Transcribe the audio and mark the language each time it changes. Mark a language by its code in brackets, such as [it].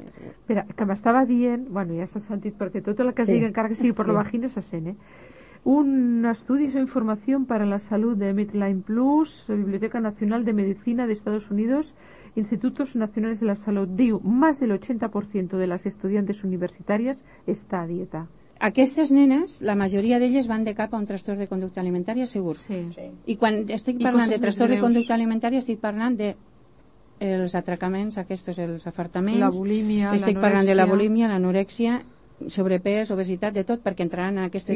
[ca] Espera, que m'estava dient, bueno, ja s'ha sentit, perquè tot el que es digui, encara que sigui per la vagina, se sent, eh? Un estudi o informació per a la salut [es] de Midline Plus, Biblioteca Nacional de Medicina de Estados Unidos, Institutos Nacionales de la Salut, diu, más del 80% de las estudiantes universitarias está a dieta. [ca] Aquestes nenes, la majoria d'elles van de cap a un trastorn de conducta alimentària segur. Sí. I quan estic parlant de trastorn de conducta alimentària estic parlant de els atracaments, aquests els afartaments, la bulímia, estic parlant de la bulímia, l'anorèxia, sobrepès, obesitat, de tot, perquè entraran en aquestes